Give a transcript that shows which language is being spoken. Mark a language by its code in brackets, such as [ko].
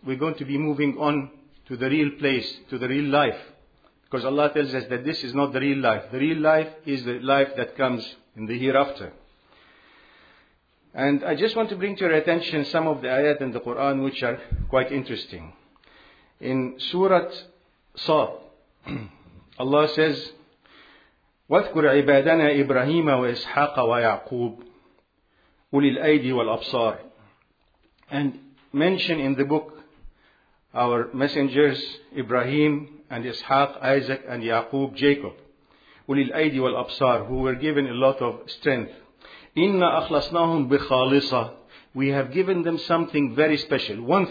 [en] We're going to be moving on to the real place, to the real life. Because Allah tells us that this is not the real life. The real life is the life that comes in the hereafter. And I just want to bring to your attention some of the ayat in the Quran which are quite interesting. In Surah Sad, Allah says, [ar] وَذْكُرْ عِبَادَنَا إِبْرَهِيمَ وَإِسْحَاقَ وَيَعْقُوبُ أُولِي الْأَيْدِي وَالْأَبْصَارِ. [en] And mention in the book our messengers Ibrahim and Ishaq, Isaac and Yaqub, Jacob, [ar] أُولِي الْأَيْدِي وَالْأَبْصَارِ, [en] who were given a lot of strength. [ar] Inna akhlasnahum bi khalisa. [en] We have given them something very special.